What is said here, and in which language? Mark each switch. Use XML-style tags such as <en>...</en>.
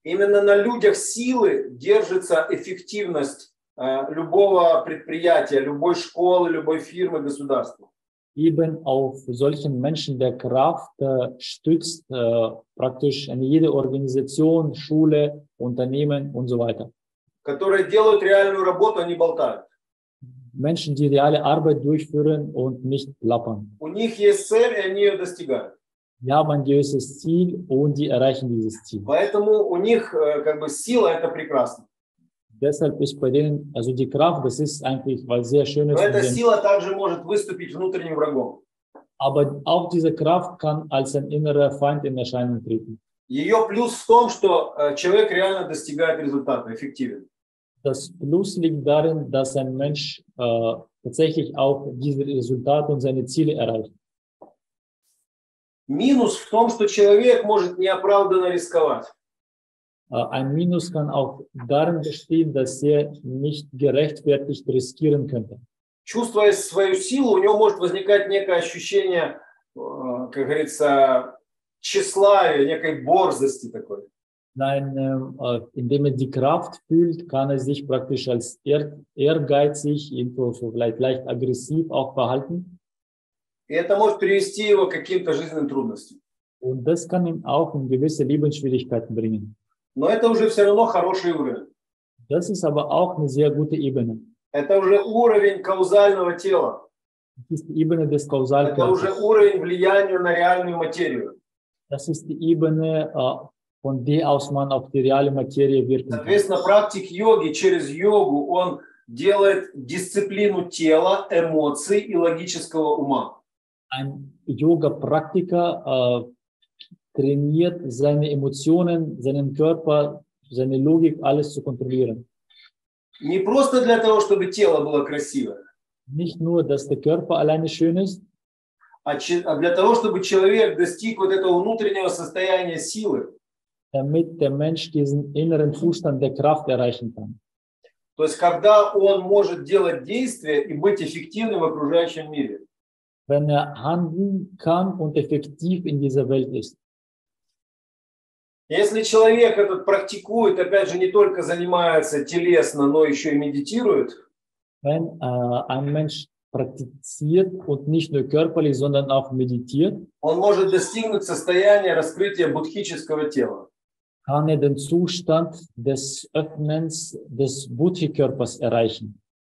<ru>Именно на людях силы держится эффективность любого предприятия, любой школы, любой фирмы, государства.</ru> <de>Eben auf solchen Menschen der Kraft stützt praktisch jede Organisation, Schule, Unternehmen und so weiter.</de> <ru>Которые делают реальную работу, а не болтают.</ru> <de>Menschen, die reale Arbeit durchführen und nicht plappern.</de> <ru>У них есть цель, и они ее достигают.</ru> <de>Die haben ein gewisses Ziel und die erreichen dieses Ziel.</de> <ru>Поэтому у них как бы сила – это прекрасно.</ru> <de>Deshalb ist bei denen, also die Kraft, das ist eigentlich, weil sehr schön ist.</de> <ru>Но эта сила также может выступить внутренним врагом.</ru> <de>Aber auch diese Kraft kann als ein innerer Feind in Erscheinung treten.</de> <ru>Ее плюс в том, что человек реально достигает результата, эффективен.</ru> <de>Das Plus liegt darin, dass ein Mensch tatsächlich auch diese Resultate und seine Ziele erreicht.</de> <ru>Минус в том, что человек может неоправданно рисковать.</ru> <de>Ein Minus kann auch darin bestehen, dass er nicht gerechtfertigt riskieren könnte.</de> <ru>Чувствуя свою силу, у него может возникать некое ощущение, как говорится, тщеславия, некой борзости такой.</ru> <de>Nein, indem er die Kraft fühlt, kann er sich praktisch als ehrgeizig, vielleicht leicht aggressiv auch verhalten.</de> <ru>И это может привести его к каким-то жизненным трудностям.</ru> <de>Und das kann ihn auch in gewisse Lebensschwierigkeiten bringen.</de> <ru>Но это уже все равно хороший уровень.</ru> <de>Das ist aber auch eine sehr gute Ebene.</de> <ru>Это уже уровень каузального тела.</ru> <de>Das ist die Ebene des kausalen Körpers.</de> <ru>Это уже уровень влияния на реальную материю.</ru> <de>Das ist die Ebene, von der aus man auf die reale Materie wirken kann.</de> <ru>Соответственно, практик йоги через йогу, он делает дисциплину тела, эмоций и логического ума.</ru> <de>Ein Yoga-Praktiker trainiert seine Emotionen, seinen Körper, seine Logik, alles zu kontrollieren.</de> <ru>Не просто для того, чтобы тело было красиво.</ru> <de>Nicht nur, dass der Körper alleine schön ist.</de> <ru>А для того, чтобы человек достиг вот этого внутреннего состояния силы.</ru> <de>Damit der Mensch diesen inneren Zustand der Kraft erreichen kann.</de> <ru>То есть, когда он может делать действия и быть эффективным в окружающем мире.</ru> <de>Wenn er handeln kann und effektiv in dieser Welt ist.</de> <ru>Если человек этот практикует, опять же, не только занимается телесно, но еще и медитирует.</ru> <de>Wenn ein Mensch praktiziert und nicht nur körperlich, sondern auch meditiert.</de> <ru>Он может достигнуть состояния раскрытия буддхического тела.</ru> <de>Kann er den Zustand des Öffnens des Buddhi-Körpers erreichen.</de>